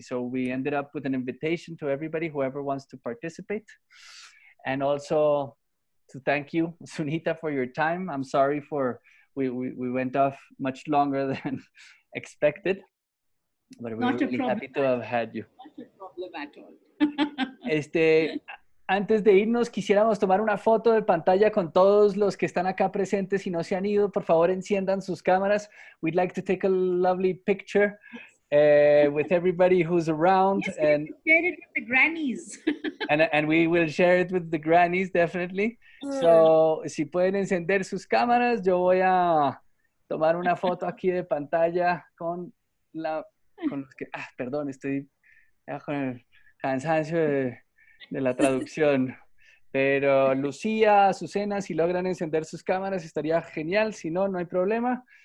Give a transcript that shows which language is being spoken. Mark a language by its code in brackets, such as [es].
[en] So we ended up with an invitation to everybody, whoever wants to participate. And also to thank you, Sunita, for your time. I'm sorry for we went off much longer than expected. But we're really happy to have had you. Not a problem at all. [es] Antes de irnos, quisiéramos tomar una foto de pantalla con todos los que están acá presentes y no se han ido. Por favor, enciendan sus cámaras. [en] We'd like to take a lovely picture with everybody who's around. Yes, and share it with the grannies. And we will share it with the grannies, definitely. [es] So, si pueden encender sus cámaras, yo voy a tomar una foto aquí de pantalla con la... con los que, perdón, estoy con el cansancio de la traducción, pero Lucía, Azucena, si logran encender sus cámaras estaría genial, si no, no hay problema.